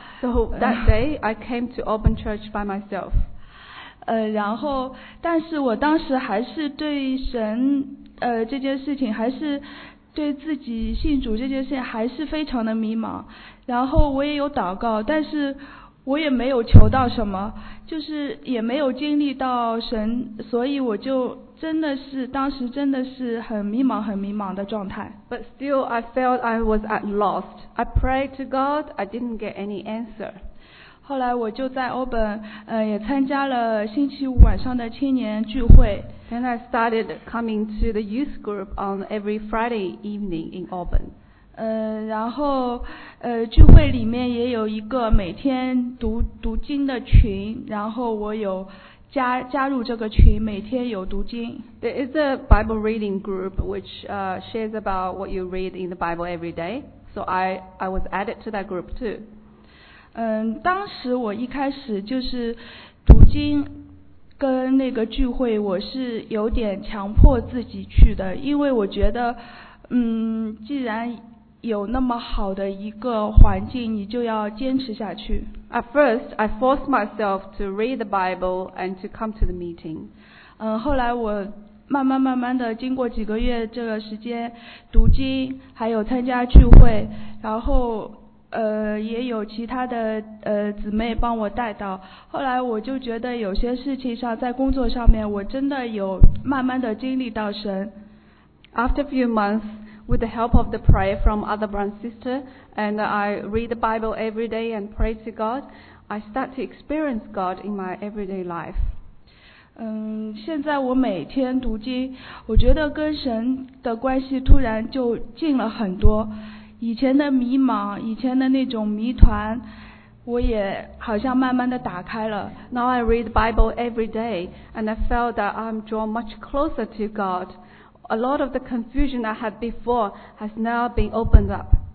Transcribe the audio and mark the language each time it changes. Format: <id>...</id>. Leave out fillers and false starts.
<en>So that day I came to Auburn Church by myself.</en> <zh>然后但是我当时还是对神这件事情，还是对自己信主这件事情还是非常的迷茫，然后我也有祷告，但是我也没有求到什么，就是也没有经历到神，所以我就真的是当时真的是很迷茫很迷茫的状态。</zh> <en>But still I felt I was at lost. I prayed to God, I didn't get any answer.</en> <zh>后来我就在欧本也参加了星期五晚上的青年聚会。</zh> <en>Then I started coming to the youth group on every Friday evening in Auburn.</en> <zh>然后聚会里面也有一个每天读经的群，然后我有加入这个群，每天有读经。</zh> <en>There is a Bible reading group which shares about what you read in the Bible every day. So I was added to that group too.</en> <zh>当时我一开始就是读经跟那个聚会，我是有点强迫自己去的，因为我觉得既然有那么好的一个环境，你就要坚持下去。</zh> <en>At first I forced myself to read the Bible and to come to the meeting.</en> <zh>后来我慢慢慢慢的经过几个月这个时间读经还有参加聚会，然后也有其他的姊妹帮我带到，后来我就觉得有些事情上在工作上面我真的有慢慢的经历到神。</zh> <en>After a few months with the help of the prayer from other brand sister and I read the Bible every day and pray to God, I start to experience God in my everyday life.</en> <zh>现在我每天读经，我觉得跟神的关系突然就近了很多，以前的迷茫，以前的那种谜团，我也好像慢慢的打开了。</zh> <en>Now I read the Bible every day and I felt that I'm drawn much closer to God. A lot of the confusion I had before has now been opened up.</en>